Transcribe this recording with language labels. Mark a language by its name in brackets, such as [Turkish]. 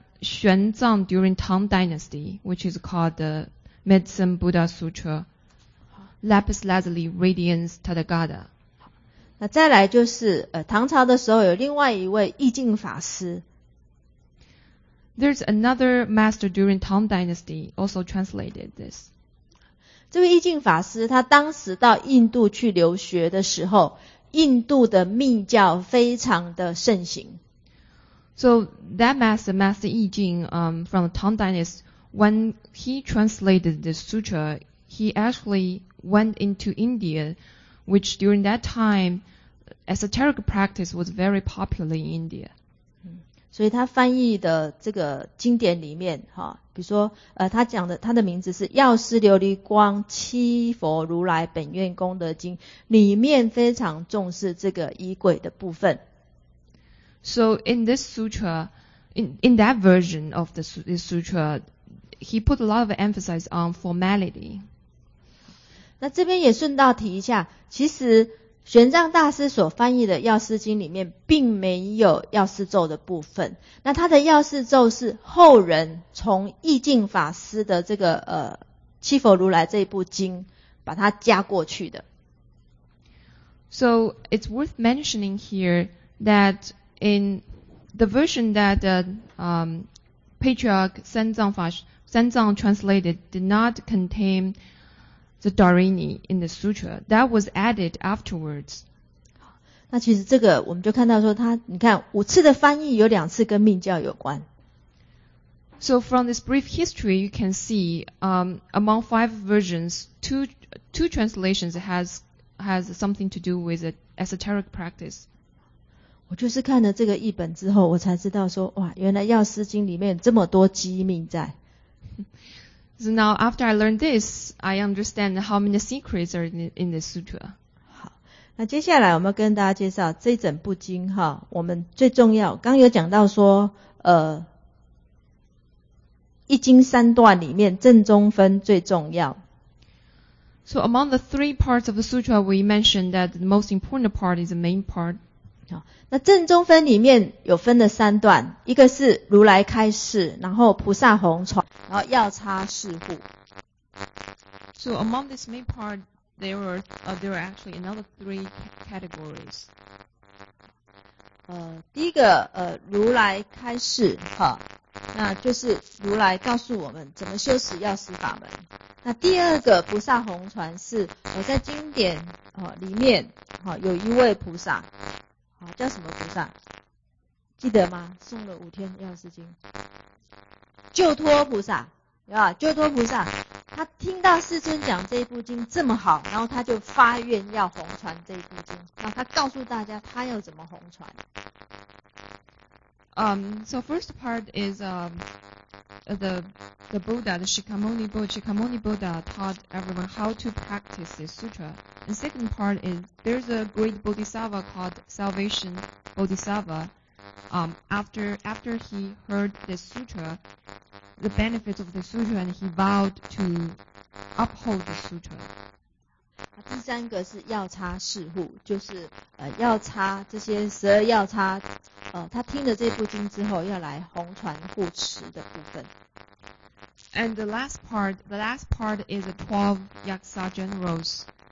[English] 玄奘 during Tang Dynasty, which is called the Medicine Buddha Sutra. lapis lazuli radiance Tathagata。 [Chinese] 那再来就是唐朝的时候有另外一位义净法师。 [English] There's another master during Tang Dynasty also translated this. [Chinese] 这位义净法师他当时到印度去留学的时候，印度的密教非常的盛行。 [English] So that master, Master Yi Jing, from the Tang Dynasty, when he translated the sutra, he actually went into India, which during that time, esoteric practice was very popular in India. [Chinese] 所以他翻译的这个经典里面，哈，比如说，他讲的，他的名字是《药师琉璃光七佛如来本愿功德经》，里面非常重视这个仪轨的部分。 [English] So in this sutra, in that version of this sutra, he put a lot of emphasis on formality. [Chinese] 那这边也顺道提一下，其实玄奘大师所翻译的《药师经》里面并没有药师咒的部分。那他的药师咒是后人从义净法师的这个七佛如来这一部经把它加过去的。 [English] So it's worth mentioning here that in the version that the patriarch Sanzang translated did not contain the Dharini in the sutra. That was added afterwards. [Chinese] 那其实这个我们就看到说他，你看五次的翻译有两次跟密教有关。 [English] So from this brief history, you can see among five versions, two translations has something to do with esoteric practice. [Chinese] 我就是看了这个译本之后，我才知道说，哇，原来《药师经》里面这么多机密在。 [English] So now after I learned this, I understand how many secrets are in the sutra. [Chinese] 好，那接下来我们要跟大家介绍这整部经哈。我们最重要，刚有讲到说，一经三段里面正中分最重要。 [English] So among the three parts of the sutra, we mentioned that the most important part is the main part. [Chinese] 那正中分里面有分了三段，一个是如来开示，然后菩萨弘传，然后药叉示护。 [English] So among this main part, there are actually another three categories. [Chinese] 第一个如来开示，哈，那就是如来告诉我们怎么修持药师法门。那第二个菩萨弘传是在经典里面有一位菩萨。好，叫什么菩萨？记得吗？送了五天药师经，救脱菩萨，啊，救脱菩萨，他听到世尊讲这一部经这么好，然后他就发愿要弘传这一部经，然后他告诉大家他要怎么弘传。 [English] So first part is the Buddha, the Shikamoni Buddha. Shikamoni Buddha taught everyone how to practice this sutra. And second part is there's a great Bodhisattva called Salvation Bodhisattva. After he heard this sutra, the benefits of the sutra, and he vowed to uphold the sutra. [Chinese] 第三个是药叉示护，就是药叉这些十二药叉，他听了这部经之后要来弘传护持的部分。 [English] And the last part is the 12 Yaksa generals.